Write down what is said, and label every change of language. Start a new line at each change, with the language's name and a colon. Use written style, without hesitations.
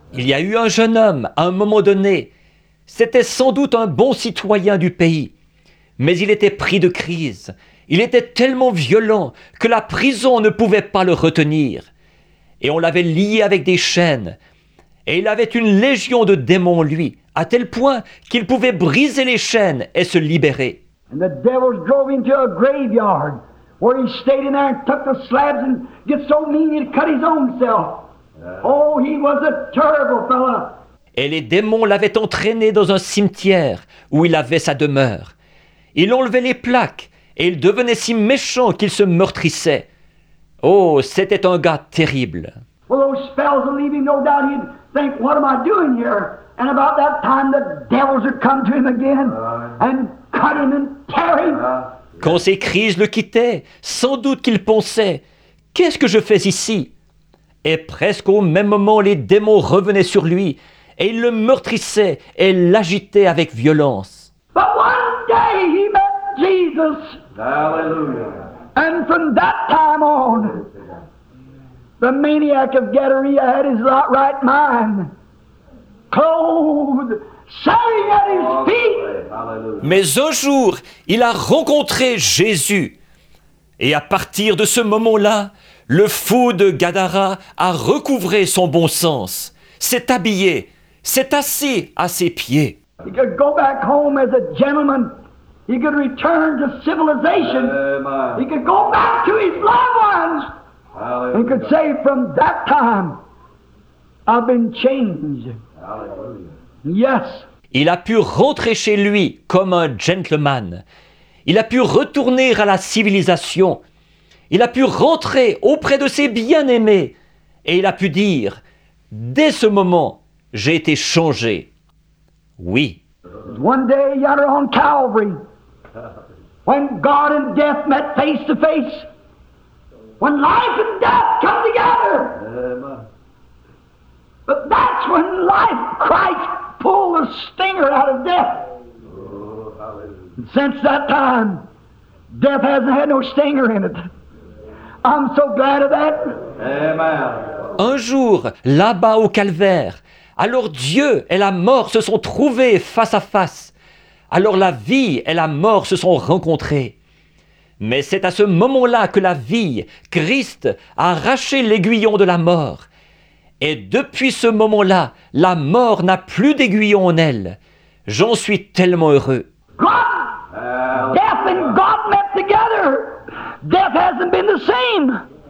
French: Il y a eu un jeune homme à un moment donné. C'était sans doute un bon citoyen du pays. Mais il était pris de crise. Il était tellement violent que la prison ne pouvait pas le retenir. Et on l'avait lié avec des chaînes. Et il avait une légion de démons en lui, à tel point qu'il pouvait briser les chaînes et se libérer.
English: And the devils drove him to a graveyard where he stayed in there and took the slabs and get so mean he'd cut his own self. Oh, he was a terrible fellow.
French: Et les démons l'avaient entraîné dans un cimetière où il avait sa demeure. Il enlevait les plaques et il devenait si méchant qu'il se meurtrissait. Oh, c'était un gars terrible.
English: Well, those spells would leave him, no doubt he'd think, what am I doing here? And about that time, the devils would come to him again and cut him and tear him.
French: Quand ses crises le quittaient, sans doute qu'il pensait, qu'est-ce que je fais ici? Et presque au même moment, les démons revenaient sur lui et ils le meurtrissaient et l'agitaient avec violence.
English: But one day he met Jesus. Hallelujah. And from that time on, the maniac of Gadara had his right mind. Clothed, saying at his feet.
French: Mais un jour, il a rencontré Jésus. Et à partir de ce moment-là, le fou de Gadara a recouvré son bon sens, s'est habillé, s'est assis à ses pieds.
English: He could go back home as a gentleman. He could return to civilization. Amen. He could go back to his loved ones. Hallelujah. He could say, from that time, I've been changed. Hallelujah. Yes.
French: Il a pu rentrer chez lui comme un gentleman. Il a pu retourner à la civilisation. Il a pu rentrer auprès de ses bien-aimés. Et il a pu dire, dès ce moment, j'ai été changé. Oui.
English: One day yonder on Calvary, when God and death met face to face, when life and death come together, but that's when life, Christ, pulled the stinger out of death. Oh, hallelujah. And since that time, death hasn't had no stinger in it. I'm so glad of that. Amen.
French: Un jour, là-bas au calvaire, alors Dieu et la mort se sont trouvés face à face. Alors la vie et la mort se sont rencontrés. Mais c'est à ce moment-là que la vie, Christ, a arraché l'aiguillon de la mort. Et depuis ce moment-là, la mort n'a plus d'aiguillon en elle. J'en suis tellement heureux.
English: God! Death and God met together. Death hasn't been the same.